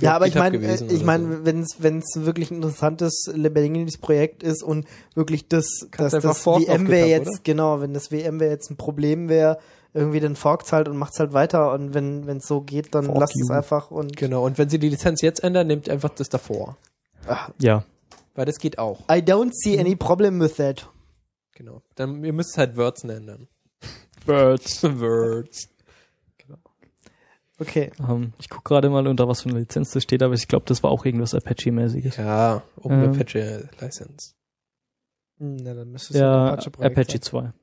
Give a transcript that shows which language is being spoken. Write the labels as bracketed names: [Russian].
[German] Wirklich gewesen. Ja, aber ich meine, wenn es wirklich ein interessantes, lebendiges Projekt ist und wirklich wenn das VMware jetzt ein Problem wäre, irgendwie den Fork zahlt und macht's halt weiter und wenn es so geht, dann lass es einfach und... Genau, und wenn sie die Lizenz jetzt ändern, nimmt einfach das davor. Ach. Ja. Weil das geht auch. [English] I don't see any problem with that. [German] Genau. Dann, ihr müsst halt Words nennen. Dann. Words. Genau. Okay. Ich guck gerade mal, unter was für eine Lizenz das steht, aber ich glaube, das war auch irgendwas Apache-mäßiges. Ja, Open Apache License. Na, dann müsstest du ja Apache 2.